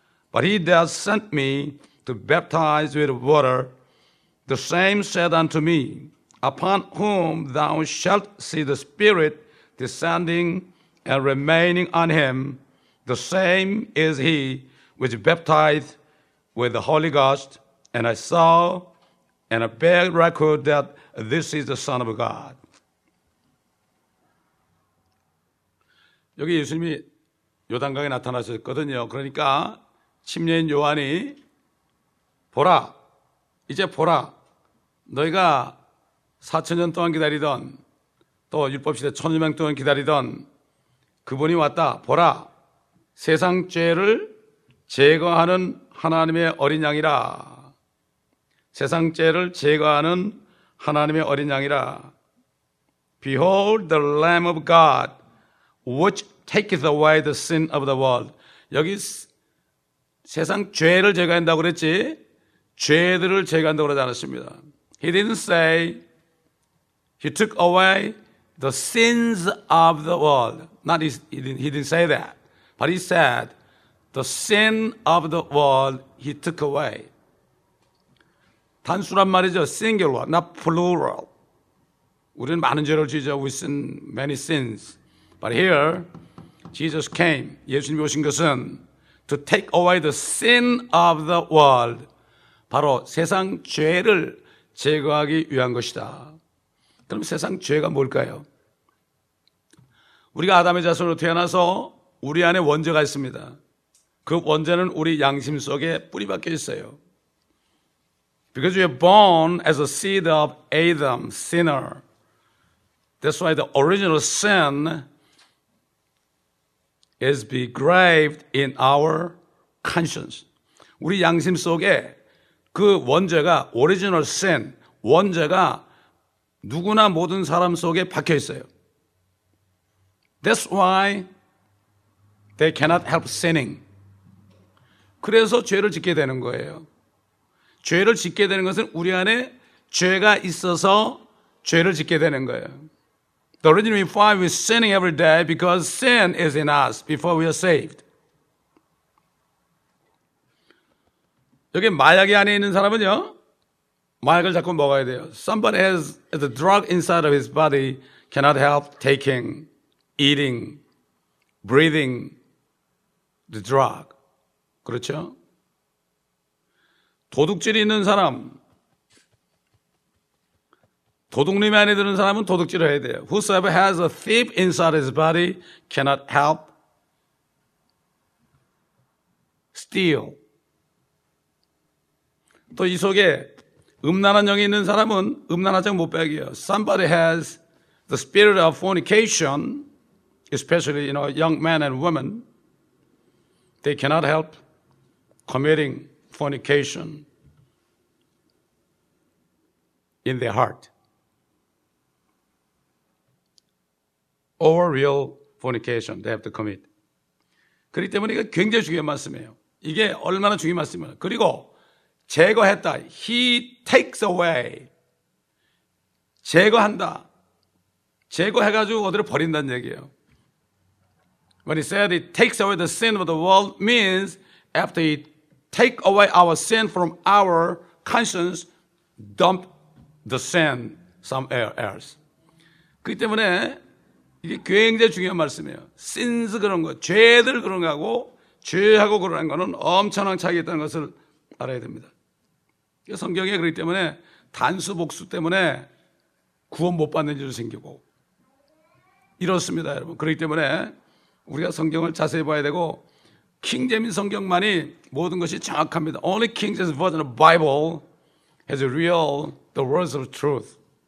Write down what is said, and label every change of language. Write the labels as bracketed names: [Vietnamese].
[English] But he that sent me to baptize with water, the same said unto me, Upon whom thou shalt see the Spirit descending and remaining on him, the same is he which baptized with the Holy Ghost. And I saw and I bear record that this is the Son of God. [Korean] 여기 예수님이 요단강에 나타나셨거든요. 그러니까 침례인 요한이 보라, 이제 보라, 너희가 4천년 동안 기다리던 또 율법시대 1000년 동안 기다리던 그분이 왔다. 보라, 세상 죄를 제거하는 하나님의 어린 양이라. 세상 죄를 제거하는 하나님의 어린 양이라. [English] Behold the Lamb of God, which taketh away the sin of the world. [Korean] 여기 세상 죄를 제거한다고 그랬지 죄들을 제거한다고 그러지 않았습니다. [English] He didn't say he took away the sins of the world. Not his, he didn't say that. But he said the sin of the world he took away. [Korean] 단순한 말이죠. [English] Singular, not plural. [Korean] 우리는 많은 죄를 지죠. [English] We sin many sins. But here Jesus came, [Korean] 예수님이 오신 것은 [English] to take away the sin of the world, [Korean] 바로 세상 죄를 제거하기 위한 것이다. 그럼 세상 죄가 뭘까요? 우리가 아담의 자손으로 태어나서 우리 안에 원죄가 있습니다. 그 원죄는 우리 양심 속에 뿌리 박혀 있어요. [English] Because we are born as a seed of Adam, sinner. That's why the original sin is be graved in our conscience. [Korean] 우리 양심 속에 그 원죄가 original sin, 원죄가 누구나 모든 사람 속에 박혀 있어요. [English] That's why they cannot help sinning. [Korean] 그래서 죄를 짓게 되는 거예요. 죄를 짓게 되는 것은 우리 안에 죄가 있어서 죄를 짓게 되는 거예요. [English] The reason we find we're sinning every day because sin is in us before we are saved. [Korean] 여기 마약이 안에 있는 사람은요, 마약을 자꾸 먹어야 돼요. [English] Somebody has the drug inside of his body cannot help taking, eating, breathing the drug. [Korean] 그렇죠? 도둑질이 있는 사람, 도둑놈이 안에 드는 사람은 도둑질을 해야 돼요. [English] Whosoever has a thief inside his body cannot help steal. [Korean] 또 이 속에 음란한 영이 있는 사람은 음란한 장 못 빼기요. [English] Somebody has the spirit of fornication, especially you know, young men and women, they cannot help committing fornication in their heart. Or real fornication they have to commit. [Korean] 그렇기 때문에 이거 굉장히 중요한 말씀이에요. 이게 얼마나 중요한 말씀이에요. 그리고 제거했다. [English] He takes away. [Korean] 제거한다. 제거해가지고 어디를 버린다는 얘기예요. [English] When he said he takes away the sin of the world means after he take away our sin from our conscience, dump the sin somewhere else. [Korean] 그렇기 때문에 이게 굉장히 중요한 말씀이에요. Sins 그런 거, 죄들 그런 거하고 죄하고 그런 거는 엄청난 차이가 있다는 것을 알아야 됩니다. 성경에 그렇기 때문에 단수 복수 때문에 구원 못 받는 일도 생기고 이렇습니다, 여러분. 그렇기 때문에 우리가 성경을 자세히 봐야 되고 킹제임스 성경만이 모든 것이 정확합니다. [English] Only King James Version of Bible has a real the words of truth.